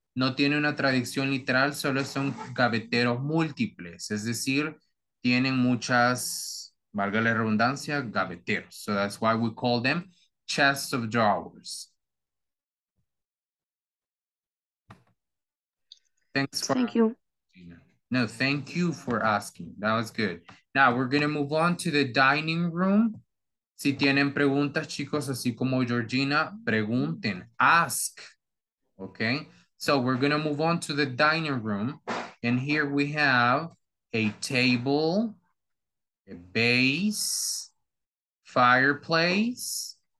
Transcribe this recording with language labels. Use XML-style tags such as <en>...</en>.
<es>No tiene una traducción literal, solo son gaveteros múltiples. Es decir, tienen muchas, valga la redundancia, gaveteros.</es> <en>So that's why we call them chest of drawers. Thank you. No, thank you for asking. That was good. Now we're going to move on to the dining room.</en> <es>Si tienen preguntas, chicos, así como Georgina, pregunten, ask.</es> <en>Okay. So we're going to move on to the dining room. And here we have a table, a base, fireplace.</en>